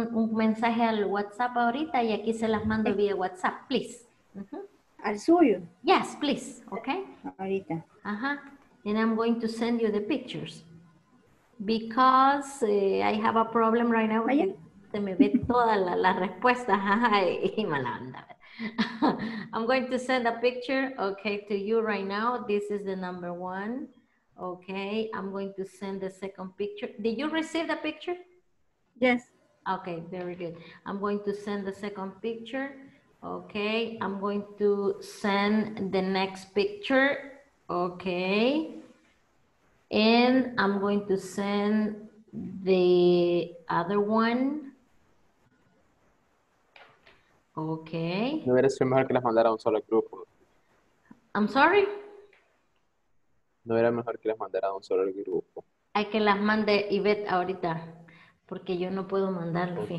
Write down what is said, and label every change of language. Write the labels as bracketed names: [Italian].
[Spanish] un mensaje al WhatsApp ahorita y aquí se las mando vía WhatsApp, please. Uh-huh. ¿Al suyo? [English] Yes, please. Okay. [Spanish] Ahorita. Uh-huh. [English] And I'm going to send you the pictures because I have a problem right now. [Spanish] ¿Vaya? Se me ve toda la respuesta. Y mala onda. [English] I'm going to send a picture, okay, to you right now. This is the number one. Okay, I'm going to send the second picture. Did you receive the picture? Yes. Okay, very good. I'm going to send the second picture. Okay, I'm going to send the next picture. Okay. And I'm going to send the other one. Okay. [Spanish] No hubiera sido mejor que las mandara a un solo grupo. [English] I'm sorry. [Spanish] No era mejor que las mandara a un solo grupo. Hay que las mande Ivette ahorita, porque yo no puedo mandarlo, okay.